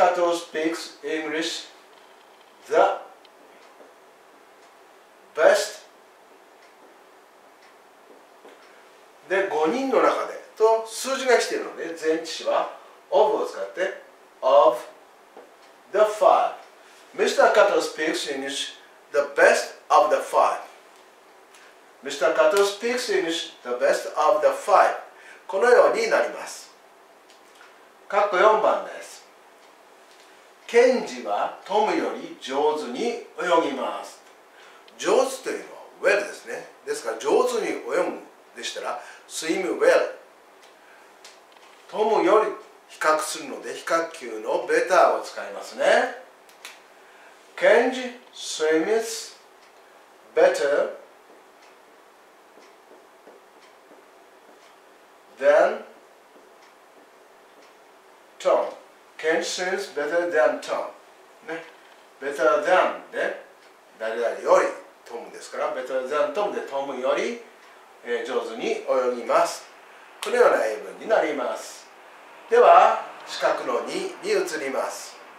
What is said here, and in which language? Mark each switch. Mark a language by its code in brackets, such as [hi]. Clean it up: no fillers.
[en] Kato speaks English the best [ja] で、5人の中でと数字が来ているので前置詞は of を使って [en] ofThe five. Mr. Kato speaks English the best of the five. Mr. Kato speaks English the best of the five. [ja] このようになります。括弧4番です。ケンジはトムより上手に泳ぎます。上手というのは well ですね。ですから上手に泳ぐでしたら [en] swim well。 [ja] トムより比較するので比較級のベターを使いますね。 [en] Kenji swims better than Tom. Kenji swims better than Tom. [ja] ね、better than で誰々よりトムですから、 [en] better than Tom [ja] でトムより上手に泳ぎます。このような英文になります。では、四角の2に移ります。